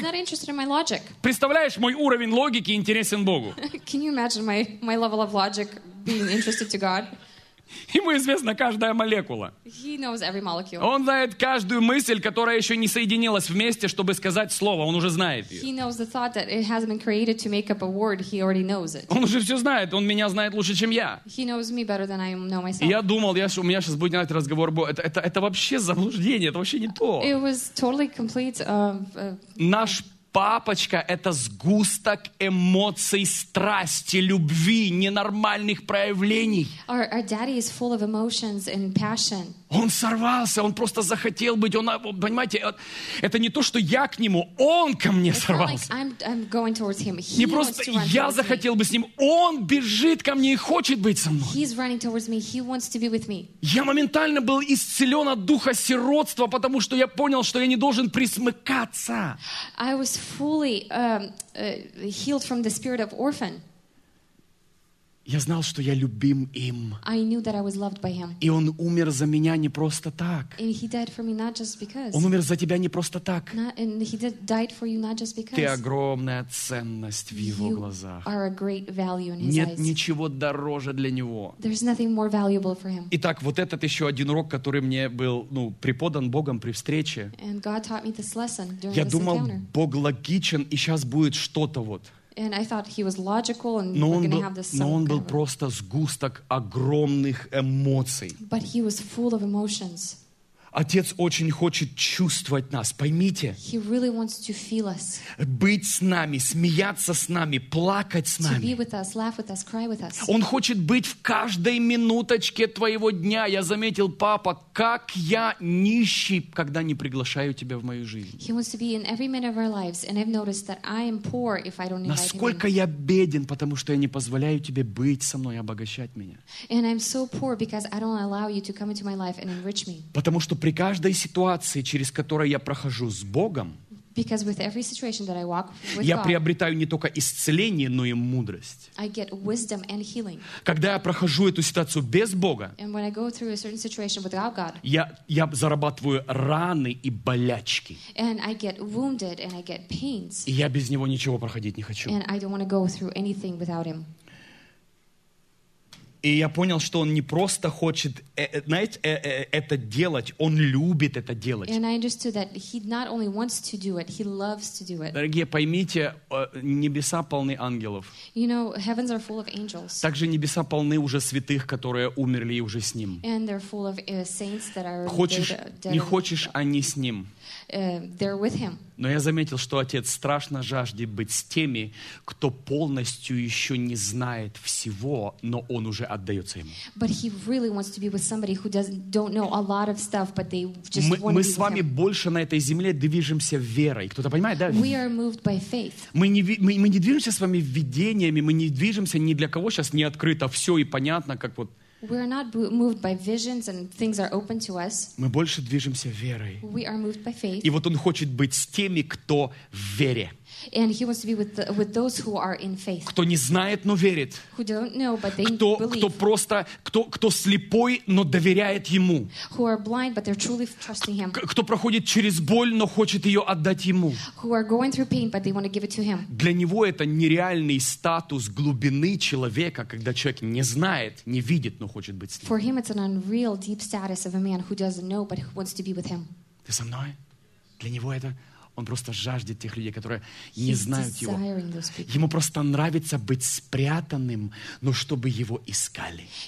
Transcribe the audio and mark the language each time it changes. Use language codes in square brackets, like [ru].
[en] He's not interested in my logic. [ru] Представляешь, мой уровень логики интересен Богу. [en] Can you imagine my level of logic being interested to God? [ru] Ему известна каждая молекула. [en] He knows every molecule. [ru] Он знает каждую мысль, которая еще не соединилась вместе, чтобы сказать слово. Он уже знает ее. [en] He knows the thought that it hasn't been created to make up a word. He already knows it. [ru] Он уже все знает. Он меня знает лучше, чем я. [en] He knows me better than I know myself. [ru] И я думал, у меня сейчас будет разговор. Это вообще заблуждение. Это вообще не то. [en] It was totally complete. [ru] Наш Папочка — это сгусток эмоций, страсти, любви, ненормальных проявлений. [en] Our daddy is full of emotions and passion. [ru] Он сорвался, он просто захотел быть. Он, понимаете, это не то, что я к нему, он ко мне [en] It's [ru] сорвался. [en] Like I'm going towards him. He [ru] не просто [en] wants to run [ru] я захотел бы с ним, он бежит ко мне и хочет быть со мной. [en] He's running towards me. He wants to be with me. [ru] Я моментально был исцелен от духа сиротства, потому что я понял, что я не должен присмыкаться. [en] I was fully healed from the spirit of orphan. [ru] Я знал, что я любим им. [en] I knew that I was loved by him. [ru] И он умер за меня не просто так. [en] And he died for me not just because. [ru] Он умер за тебя не просто так. [en] Died for you not just because. [ru] Ты огромная ценность в его [en] you [ru] глазах. [en] Are a great value in his [ru] Нет [en] eyes. [ru] Ничего дороже для него. [en] There's nothing more valuable for him. [ru] Итак, вот этот еще один урок, который мне был преподан Богом при встрече. [en] And God taught me this lesson during [ru] я [en] this [ru] думал, [en] encounter. [ru] Бог логичен, и сейчас будет что-то вот. [en] And I thought he was logical, and we're going to have this. [ru] Но он был просто сгусток огромных эмоций. [en] But he was full of emotions. [ru] Отец очень хочет чувствовать нас, поймите. [en] He really wants to feel us. [ru] Быть с нами, смеяться с нами, плакать с нами. [en] To be with us, laugh with us, cry with us. [ru] Он хочет быть в каждой минуточке твоего дня. Я заметил, папа, как я нищий, когда не приглашаю тебя в мою жизнь. [en] He wants to be in every minute of our lives, and I've noticed that I am poor if I don't invite [ru] Насколько Насколько я беден, потому что я не позволяю тебе быть со мной и обогащать меня. [en] And I'm so poor because I don't allow you to come into my life and enrich me. [ru] Потому что при каждой ситуации, через которую я прохожу с Богом, [en] Because with every situation that I walk with God, [ru] я приобретаю не только исцеление, но и мудрость. [en] I get wisdom and healing. [ru] Когда я прохожу эту ситуацию без Бога, [en] and when I go through a certain situation without God, [ru] я зарабатываю раны и болячки. [en] And I get wounded and I get pains. [ru] И я без Него ничего проходить не хочу. [en] And I don't want to go through anything without Him. [ru] И я понял, что он не просто хочет, знаете, это делать, он любит это делать. [en] And I understood that he not only wants to do it, he loves to do it. [ru] Дорогие, поймите, небеса полны ангелов. [en] You know, heavens are full of angels. [ru] Также небеса полны уже святых, которые умерли и уже с ним. [en] And they're full of saints that are [ru] Хочешь, не хочешь, они с ним. [en] They're with him. [ru] Но я заметил, что отец страшно жаждет быть с теми, кто полностью еще не знает всего, но он уже отдается ему. [en] But he really wants to be with somebody who don't know a lot of stuff, but they just want be with him. [ru] Мы с вами больше на этой земле движемся верой. Кто-то понимает, да? [en] We are moved by faith. [ru] Мы не движемся с вами видениями, мы не движемся ни для кого сейчас не открыто все и понятно, как вот. [en] We are not moved by visions and things are open to us. [ru] Мы больше движемся верой. [en] We are moved by faith. [ru] И вот он хочет быть с теми, кто в вере. [en] And he wants to be with those who are in faith. [ru] Кто не знает, но верит. [en] Who don't know, but they [ru] кто, [en] believe. [ru] Кто слепой, но доверяет ему. [en] Who are blind, but they're truly trusting him. [ru] Кто проходит через боль, но хочет ее отдать ему. [en] Who are going through pain, but they want to give it to him. [ru] Для него это нереальный статус глубины человека, когда человек не знает, не видит, но хочет быть с ним. [en] For him, it's an unreal deep status of a man who doesn't know, but wants to be with him. [ru] Ты со мной? Для него это... Он просто жаждет тех людей, которые не знают Его. Ему просто нравится быть спрятанным, но чтобы Его искали.